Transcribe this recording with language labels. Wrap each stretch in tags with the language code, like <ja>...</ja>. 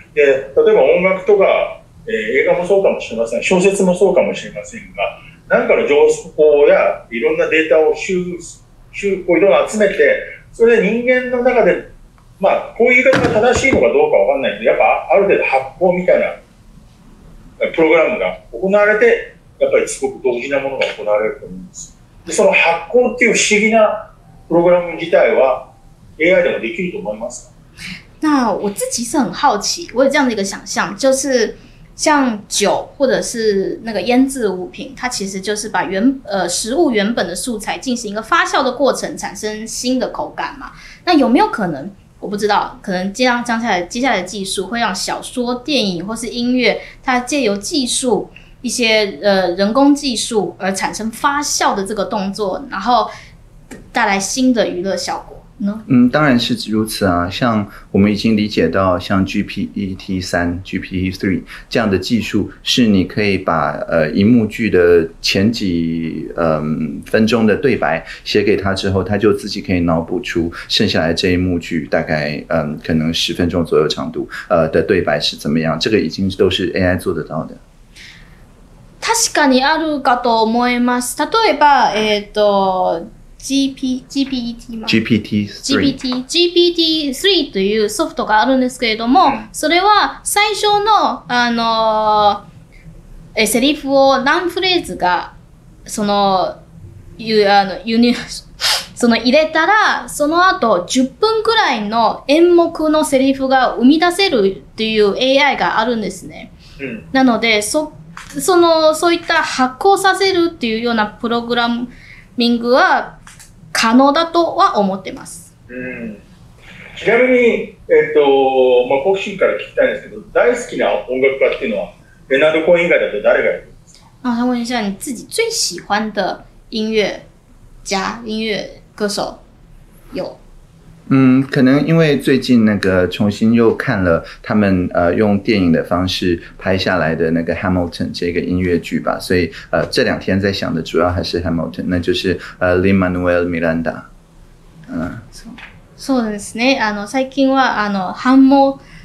<ja>で例えば音楽とか、映画もそうかもしれません、小説もそうかもしれませんが、何かの情報やいろんなデータを集めて、それで人間の中で、まあ、こういう言い方が正しいのかどうか分からないけど、やっぱある程度発酵みたいなプログラムが行われて、やっぱりすごく独自なものが行われると思うんです。でその発酵っていう不思議なプログラム自体は AI でもできると思いますか？</ja> <zh>那我自己是很好奇，我有这样的一个想象，就是像酒或者是那个腌制物品，它其实就是把食物原本的素材进行一个发酵的过程，产生新的口感嘛。那有没有可能？我不知道，可能接下来的技术会让小说、电影或是音乐，它借由技术一些人工技术而产生发酵的这个动作，然后带来新的娱乐效果。嗯，当然是如此啊。像我们已经理解到，像 GPT 3、GPT 3这样的技术，是你可以把荧幕剧的前几分钟的对白写给他之后，他就自己可以脑补出剩下来这一幕剧大概可能十分钟左右长度的对白是怎么样，这个已经都是 AI 做得到的。</zh> <ja>確かにあるかと思います。例えば GPT-3 というソフトがあるんですけれども、それは最初の、セリフを何フレーズかその入れたら、その後10分くらいの演目のセリフが生み出せるという AI があるんですね。なのでそういった発行させるっていうようなプログラミングは可能だとは思ってます。ちなみに、まあ、好奇心から聞きたいんですけど、大好きな音楽家っていうのはレナード・コーン以外だと誰がいるんですか？</ja> <zh>想问一下你自己最喜欢的音乐家、音乐歌手有？可能因为最近那个重新又看了他们用电影的方式拍下来的那个 Hamilton 这个音乐剧吧，所以这两天在想的主要还是 Hamilton， 那就是Lin-Manuel Miranda。</zh> <ja>そうですね。あの最近はあのハンモ</ja>